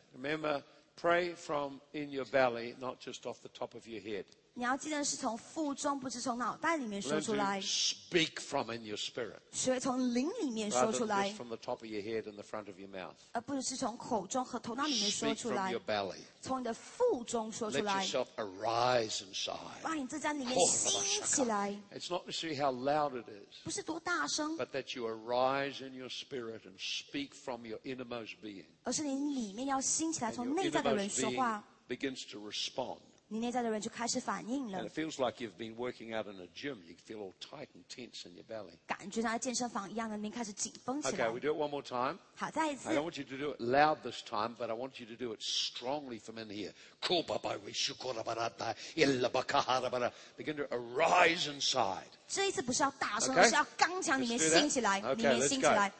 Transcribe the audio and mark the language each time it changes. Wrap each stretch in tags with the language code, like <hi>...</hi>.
<en>Remember, pray from in your belly, not just off the top of your head.</en> <zh>你要记得是从腹中，不是从脑袋里面说出来。</zh> <en>Speak from in your spirit.</en> <zh>学从灵里面说出来。</zh> <en>From the top of your head and the front of your mouth.</en> <zh>而不是从口中和头脑里面说出来。</zh> <en>Speak from your belly.</en> <zh>从你的腹中说出来。</zh> <en>Let yourself arise inside.</en> <zh>把你自在里面兴起来。</zh> <en>It's not to see how loud it is.</en> <zh>不是多大声。</zh> <en>But that you arise in your spirit and speak from your innermost being.</en> <zh>而是你里面要兴起来，从内在的人说话。</zh> <en>Begins to respond.</en> <zh>你内在的人就开始反应了。</zh> <en>And it feels like you've been working out in a gym. You feel all tight and tense in your belly.</en> <zh>感觉像在健身房一样的，你开始紧绷起来。</zh> <en>Okay, we do it one more time.</en> <zh>好，再一次。</zh> <en>I don't want you to do it loud this time, but I want you to do it strongly from in here. Begin to arise inside.</en> <zh>这一次不是要大声，而是要刚强，里面兴起来，里面兴起来。</zh>